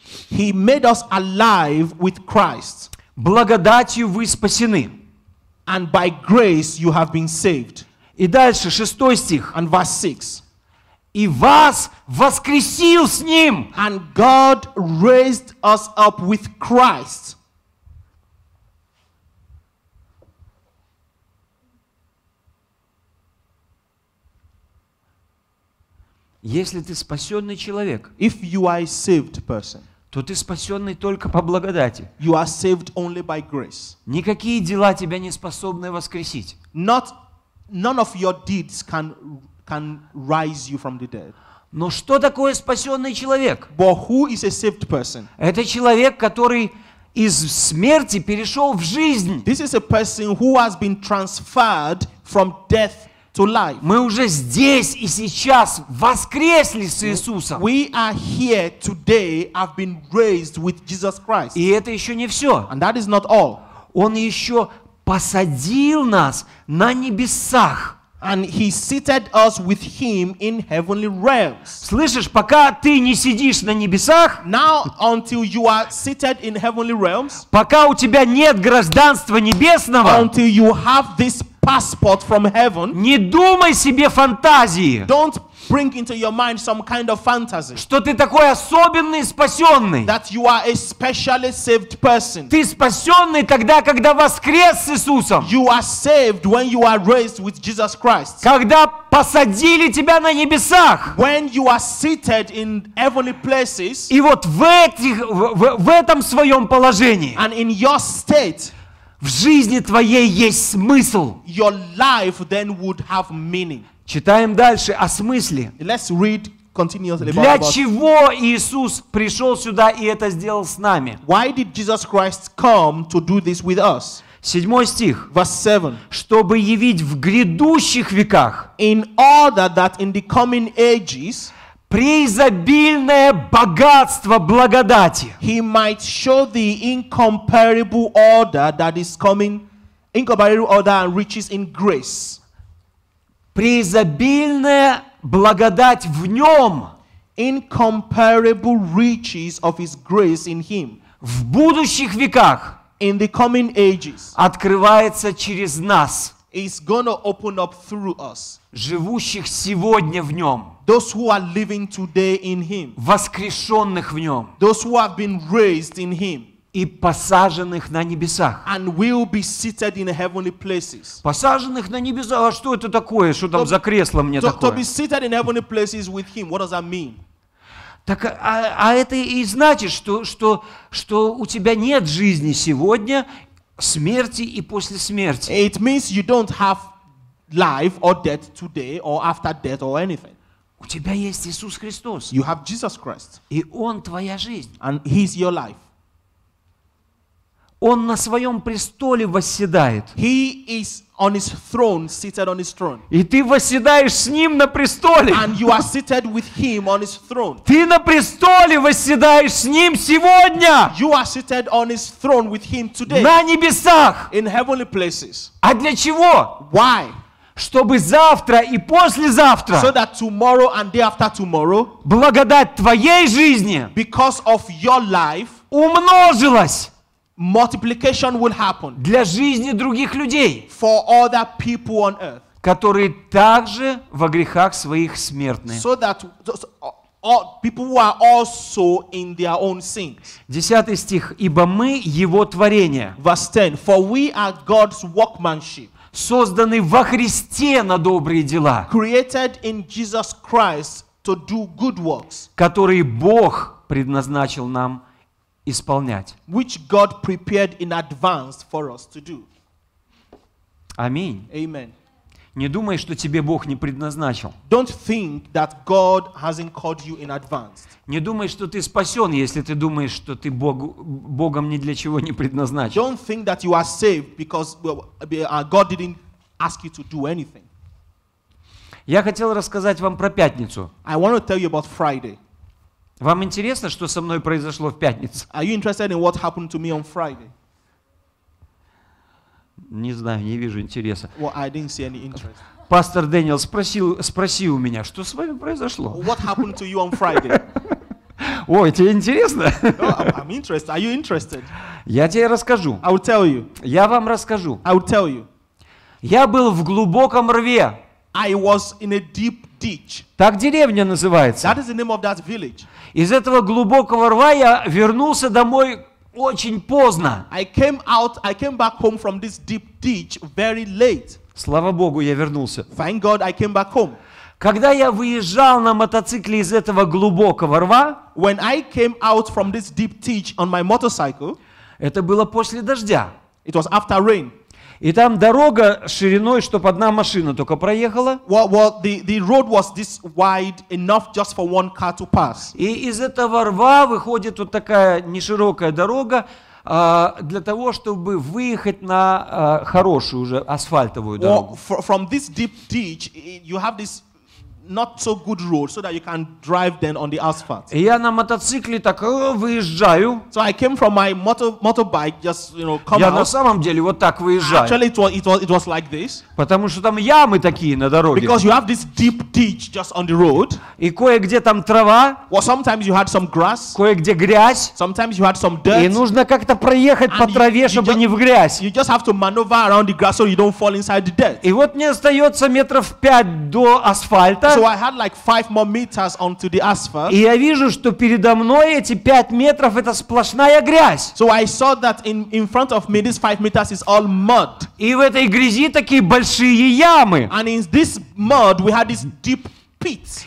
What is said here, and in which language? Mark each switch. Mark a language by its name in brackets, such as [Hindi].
[English] He made us alive with Christ. [Russian] Благодатью вы спасены. [English] And by grace you have been saved. [Russian] И дальше, шестой стих. [English] And verse 6. [Russian] И вас воскресил с ним. [English] And God raised us up with Christ. [Russian] Если ты спасенный человек, [English] if you are a saved person, [Russian] то ты спасенный только по благодати. [English] You are saved only by grace. [Russian] Никакие дела тебя не способны воскресить. [English] None of your deeds can rise you from the dead. [Russian] Но что такое спасенный человек? [English] But who is a saved person? [Russian] Это человек, который из смерти перешел в жизнь. [English] This is a person who has been transferred from death to life. [Russian] Мы уже здесь и сейчас воскресли с Иисусом. [English] We are here today, have been raised with Jesus Christ. [Russian] И это еще не все. [English] And that is not all. [Russian] Он еще посадил нас на небесах. [English] And he seated us with him in heavenly realms. [Russian] Слышишь, пока ты не сидишь на небесах, [English] now, until you are seated in heavenly realms, [Russian] пока у тебя нет гражданства небесного, [English] until you have this passport from heaven, [Russian] не думай себе фантазии. [English] Don't bring into your mind some kind of fantasy. [Russian] Что ты такой особенный спасенный? [English] That you are a specially saved person. [Russian] Ты спасенный тогда, когда воскрес с Иисусом. [English] You are saved when you are raised with Jesus Christ. [Russian] Когда посадили тебя на небесах. [English] When you are seated in heavenly places. [Russian] И вот в этом своем положении. [English] And in your state. [Russian] В жизни твоей есть смысл. [English] Your life then would have meaning. [Russian] Читаем дальше о смысле. [English] Let's read continuously about. [Russian] Для чего Иисус пришел сюда и это сделал с нами? [English] Why did Jesus Christ come to do this with us? [Russian] Седьмой стих. [English] Verse 7. [Russian] Чтобы явить в грядущих веках. [English] In order that in the coming ages. [Russian] Преизобильное богатство благодати. [English] He might show the incomparable order that is coming, incomparable order and riches in grace. [Russian] Преизобильная благодать в нем. [English] Incomparable riches of his grace in him. [Russian] В будущих веках. [English] In the coming ages. [Russian] Открывается через нас. [English] Is going to open up through us. [Russian] Живущих сегодня в нем. [English] Those who are living today in him. [Russian] Воскрешенных в нем. [English] Those who have been raised in him. [Russian] И посаженных на небесах. [English] And will be seated in heavenly places. [Russian] Посаженных на небесах. А что это такое? Что там за кресло мне такое? [English] To be seated in heavenly places with him. What does that mean? [Russian] Так, а это и значит, что у тебя нет жизни сегодня, смерти и после смерти. [English] It means you don't have life or death today or after death or anything. [Russian] У тебя есть Иисус Христос. [English] You have Jesus Christ. [Russian] И Он твоя жизнь. [English] And He is your life. [Russian] Он на своем престоле восседает. [English] He is on his throne, seated on his throne. [Russian] И ты восседаешь с ним на престоле. [English] And you are seated with him on his throne. [Russian] Ты на престоле восседаешь с ним сегодня. [English] You are seated on his throne with him today. [Russian] На небесах. [English] In heavenly places. [Russian] А для чего? [English] Why? [Russian] Чтобы завтра и послезавтра. [English] So that tomorrow and day after tomorrow. [Russian] Благодать твоей жизни. [English] Because of your life. [Russian] Умножилась. [English] Multiplication will happen [Russian] для жизни других людей, [English] for other people on earth, [Russian] которые также во грехах своих смертны. [English] So that people who are also in their own sins. [Russian] 10 стих. Ибо мы Его творение. [English] Verse 10. For we are God's workmanship, [Russian] созданы во Христе на добрые дела, [English] created in Jesus Christ to do good works, [Russian] которые Бог предназначил нам исполнять. [English] Which God prepared in advance for us to do. [Russian] Аминь. [English] Amen. [Russian] Не думай, что тебе Бог не предназначил. [English] Don't think that God hasn't called you in advance. [Russian] Не думай, что ты спасен, если ты думаешь, что ты Богом ни для чего не предназначен. [English] Don't think that you are saved because God didn't ask you to do anything. [Russian] Я хотел рассказать вам про пятницу. [English] I want to tell you about Friday. [Russian] Вам интересно, что со мной произошло в пятницу? [English] Are you interested in what happened to me on Friday? [Russian] Не знаю, не вижу интереса. [English] Well, I didn't see any interest. [Russian] Пастор Дэниел спроси у меня, что с вами произошло? [English] What happened to you on Friday? [Russian] Ой, тебе интересно? [English] I'm interested. Are you interested? [Russian] Я тебе расскажу. [English] I will tell you. [Russian] Я вам расскажу. [English] I will tell you. [Russian] Я был в глубоком рве. [English] I was in a deep ditch. [Russian] Так деревня называется. [English] That is the name of that village. [Russian] Из этого глубокого рва я вернулся домой очень поздно. [English] I came back home from this deep ditch very late. [Russian] Слава Богу, я вернулся. [English] Thank God I came back home. [Russian] Когда я выезжал на мотоцикле из этого глубокого рва, [English] when I came out from this deep ditch on my motorcycle, [Russian] это было после дождя. [English] It was after rain. [Russian] И там дорога шириной, чтобы одна машина только проехала. [English] The road was this wide enough just for one car to pass. [Russian] И из этого рва выходит вот такая неширокая дорога для того, чтобы выехать на хорошую уже асфальтовую дорогу. [English] Well, from this deep ditch, you have this not so good road so that you can drive then on the asphalt. [Russian] И я на мотоцикле так выезжаю. [English] So I came from my motorbike just, you know, come [Russian] я [English] out. [Russian] Я на самом деле вот так выезжаю. [English] Actually it was like this. [Russian] Потому что там ямы такие на дороге. [English] Because you have this deep ditch just on the road. [Russian] И кое-где там трава. [English] Well, sometimes you had some grass. [Russian] Кое-где грязь. [English] Sometimes you had some dirt. [Russian] И нужно как-то проехать по траве, чтобы не в грязь. [English] You just have to maneuver around the grass so you don't fall inside the dirt. [Russian] И вот мне остается метров 5 до асфальта. [English] So I had like 5 more meters onto the asphalt. [Russian] И я вижу, что передо мной эти 5 метров это сплошная грязь. [English] So I saw that in front of me this 5 meters is all mud. [Russian] И в этой грязи такие большие ямы. [English] And in this mud we had this deep pits.